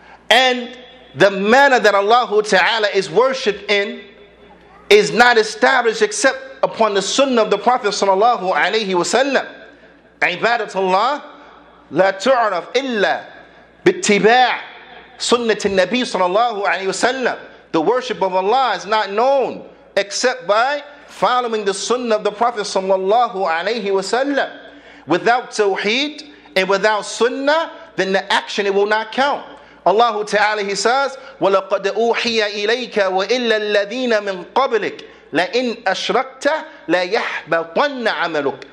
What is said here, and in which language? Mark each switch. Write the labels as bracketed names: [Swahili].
[English] And the manner that Allah Ta'ala is worshipped in is not established except upon the sunnah of the Prophet sallallahu alayhi wa sallam. [Arabic] عبادة الله لا تعرف إلا باتباع سُنَّةِ النَّبِي صلى الله عليه وسلم. [English] The worship of Allah is not known except by following the sunnah of the Prophet sallallahu alayhi wa sallam. Without tawheed and without sunnah, then the action, it will not count. Allah Ta'ala, He says, [Arabic] وَلَقَدْ أُوحِيَ إِلَيْكَ وَإِلَّا الَّذِينَ مِنْ قَبْلِكَ لَإِنْ أَشْرَكْتَ لَيَحْبَطَنَّ عَمَلُكَ.